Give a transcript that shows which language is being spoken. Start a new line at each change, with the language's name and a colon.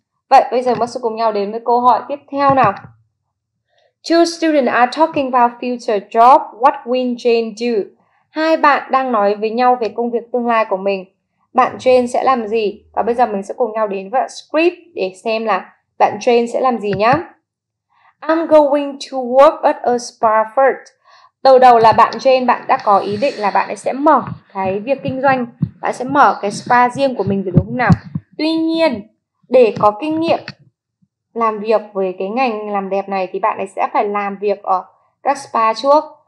Vietnamese: Vậy bây giờ mình sẽ cùng nhau đến với câu hỏi tiếp theo nào.
English: Two students are talking about future job. What will Jane do?
Vietnamese: Hai bạn đang nói với nhau về công việc tương lai của mình. Bạn Jane sẽ làm gì? Và bây giờ mình sẽ cùng nhau đến với script để xem là bạn Jane sẽ làm gì nhá.
English: I'm going to work at a spa first.
Vietnamese: Đầu đầu là bạn Jane, bạn đã có ý định là bạn ấy sẽ mở cái việc kinh doanh. Bạn sẽ mở cái spa riêng của mình, đúng không nào? Tuy nhiên, để có kinh nghiệm làm việc với cái ngành làm đẹp này thì bạn ấy sẽ phải làm việc ở các spa trước.